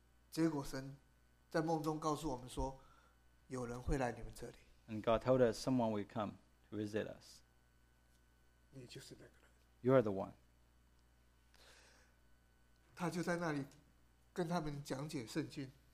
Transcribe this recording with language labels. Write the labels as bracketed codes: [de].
[zh] 结果神在梦中告诉我们说，有人会来你们这里。 [en] And God told us someone will come to visit us. [zh] 你就是那个人。 [en] You are the one. [zh] 他就在那里跟他们讲解圣经。